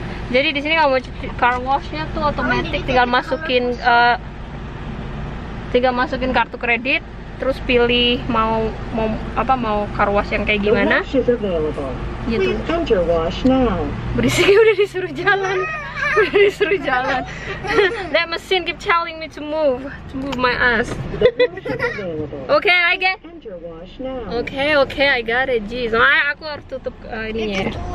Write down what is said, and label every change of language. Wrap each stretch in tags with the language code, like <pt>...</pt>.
<id>Jadi di sini kalau mau cuci car washnya tuh otomatis, tinggal masukin kartu kredit, terus pilih mau car wash yang kayak gimana.</id> <en>The wash is available.</en> <id>Gitu.</id> <en>Please enter wash now.</en> <id>Berisiknya udah disuruh jalan.</id> <en>That machine keep telling me to move my ass. Okay, I get. Okay, I got it.</en> <id>Jeez, aku harus tutup ininya.</id>